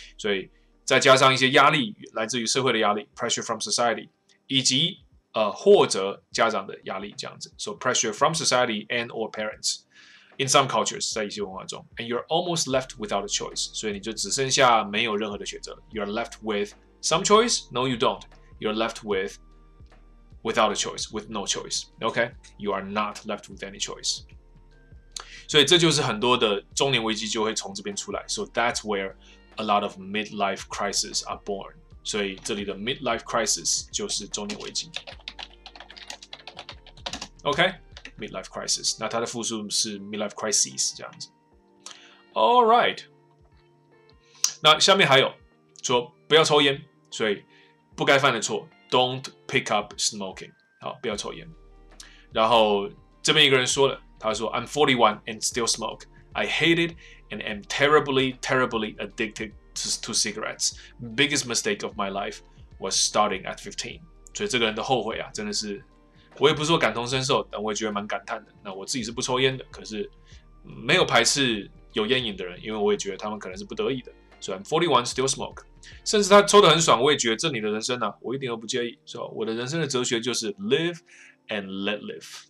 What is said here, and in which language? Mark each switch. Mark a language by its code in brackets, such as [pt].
[zh] 所以再加上一些压力来自于社会的压力 ， [en] pressure from society， [zh] 以及或者家长的压力这样子。 [en] So pressure from society and or parents in some cultures [zh] 在一些文化中 [en] ，and you're almost left without a choice。 [zh] 所以你就只剩下没有任何的选择了。 [en] You're left with some choice? No, you don't. You're left withWithout a choice, with no choice, okay? You are not left with any choice. [zh] 所以这就是很多的中年危机就会从这边出来。 [en] So that's where a lot of midlife crises are born. [zh] 所以这里的 midlife crisis 就是中年危机。 OK, midlife crisis, 那它的复数是 midlife crises, 这样子。 All right, 那下面还有说不要抽烟，所以不该犯的错 , [en] don't pick up smoking, [zh] 好，不要抽烟。然后这边一个人说了，他说 [en] I'm 41 and still smoke, I hate it and am terribly, terribly addicted to cigarettes, biggest mistake of my life was starting at 15. [zh] 所以这个人的后悔啊，真的是我也不是说感同身受，但我也觉得蛮感叹的。那我自己是不抽烟的，可是没有排斥有烟瘾的人，因为我也觉得他们可能是不得已的。虽然 [en] 41 still smoke， [zh] 甚至他抽得很爽，我也觉得这你的人生啊，我一点都不介意。所以我的人生的哲学就是 [en] live and let live。